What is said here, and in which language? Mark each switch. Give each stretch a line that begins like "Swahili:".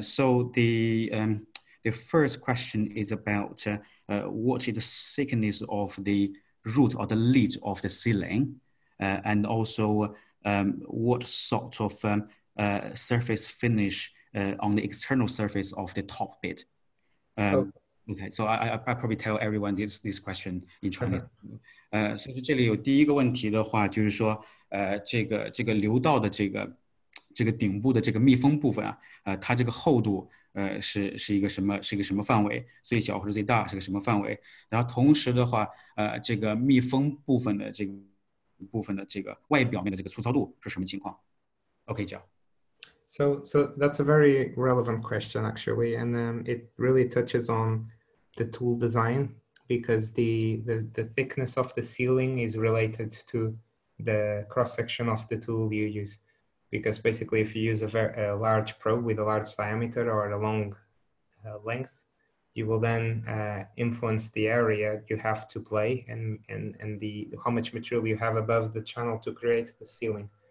English: So the first question is about what is the thickness of the root or the lid of the ceiling, and also what sort of surface finish on the external surface of the top bit. Oh, Okay, so I probably tell everyone this question in Chinese.
Chinese: 所以这里有第一个问题的话，就是说，这个流道的这个顶部的这个密封部分啊，它这个厚度是一个什么范围？最小或者最大是个什么范围？然后同时的话，这个密封部分的这个外表面的这个粗糙度是什么情况？
English: Okay, Joe. So that's a very relevant question, actually, and it really touches on the tool design, because the thickness of the ceiling is related to the cross-section of the tool you use. Because basically, if you use a large probe with a large diameter or a long length, you will then influence the area you have to play and the how much material you have above the channel to create the ceiling.